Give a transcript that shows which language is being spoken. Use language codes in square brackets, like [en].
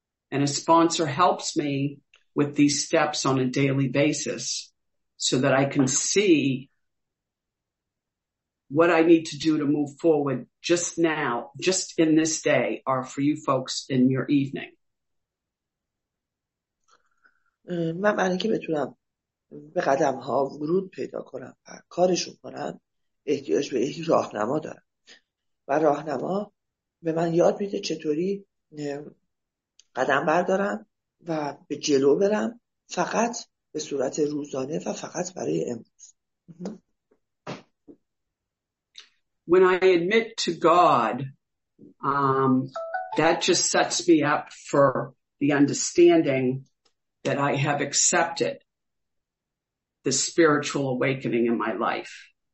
[en] And a sponsor helps me with these steps on a daily basis so that I can see what I need to do to move forward just now, just in this day, or for you folks in your evening. [fa] من برای اینکه بتونم به قدم ها ورود پیدا کنم و کارشون کنم احتیاج به یک راهنما دارم و راهنما به من یاد میده چطوری قدم بردارم و به جلو برم، فقط به صورت روزانه و فقط برای امروز. [en] When I admit to God, that just sets me up for the understanding that I have accepted the spiritual awakening in my life.